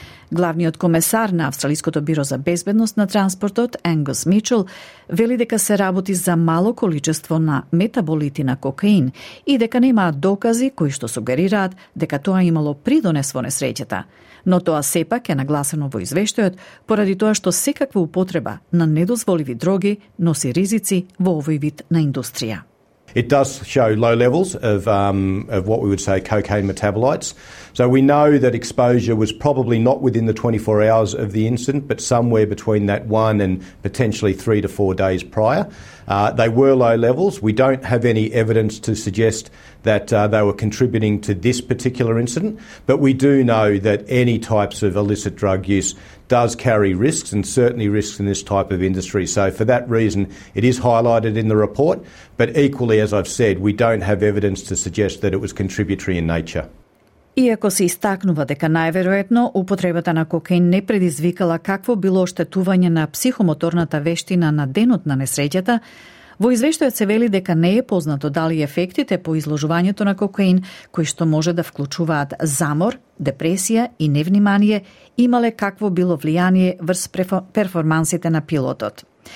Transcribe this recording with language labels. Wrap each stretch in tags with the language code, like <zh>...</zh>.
<mk>Главниот комесар на Австралиското биро за безбедност на транспортот, Ангус Мичел, вели дека се работи за мало количество на метаболити на кокаин и дека немаат докази кои што сугерираат дека тоа имало придонес во несреќата. Но тоа сепак е нагласено во извештајот поради тоа што секаква употреба на недозволиви дроги носи ризици во овој вид на индустрија.</mk> <en>It does show low levels of what we would say cocaine metabolites. So we know that exposure was probably not within the 24 hours of the incident, but somewhere between that one and potentially 3 to 4 days prior. They were low levels. We don't have any evidence to suggest that they were contributing to this particular incident, but we do know that any types of illicit drug use does carry risks, and certainly risks in this type of industry. So for that reason, it is highlighted in the report, but equally, as I've said, we don't have evidence to suggest that it was contributory in nature.</en> <mk>Иако се истакнува дека најверојатно употребата на кокаин не предизвикала какво било оштетување на психомоторната вештина на денот на несреќата, во извештајот се вели дека не е познато дали ефектите по изложувањето на кокаин, кои што може да вклучуваат замор, депресија и невнимание, имале какво било влијание врз перформансите на пилотот.</mk>